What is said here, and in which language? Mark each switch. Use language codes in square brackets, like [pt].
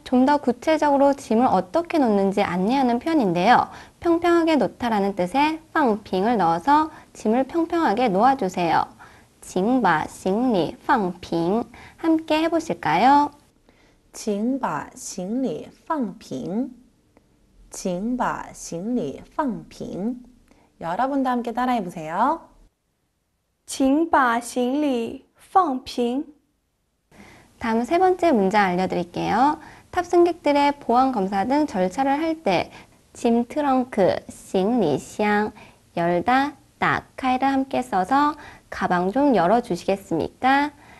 [ko] 좀 더 구체적으로 짐을 어떻게 놓는지 안내하는 편인데요. 평평하게 놓다라는 뜻의 放平을 넣어서 짐을 평평하게 놓아주세요. [zh] 请把行李放平 [ko] 함께 해보실까요? [zh] 请把行李放平 请把行李放平 [ko] 여러분도 함께 따라해보세요. [zh] 请把行李放平 [ko] 다음 세 번째 문장 알려드릴게요. 탑승객들의 보안 검사 등 절차를 할 때 짐 트렁크, 行李箱, 열다, 打开를 함께 써서 가방 좀 열어주시겠습니까?